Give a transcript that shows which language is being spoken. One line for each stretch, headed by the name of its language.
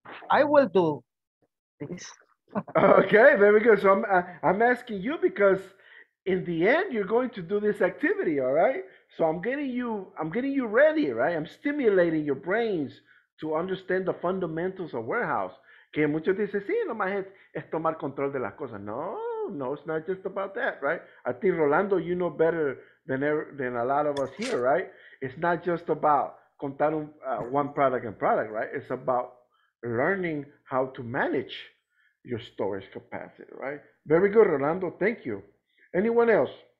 English: I will do this. Okay, very good. So I'm asking you because in the end, you're going to do this activity, all right? So I'm getting you ready, right? I'm stimulating your brains to understand the fundamentals of warehouse.
Spanish: Que muchos dicen, sí, no más es tomar control de las cosas.
English: No, it's not just about that, right? I think, Rolando, you know better than a lot of us here, right? It's not just about contar one product and product, right? It's about learning how to manage your storage capacity, right? Very good, Rolando. Thank you. Anyone else?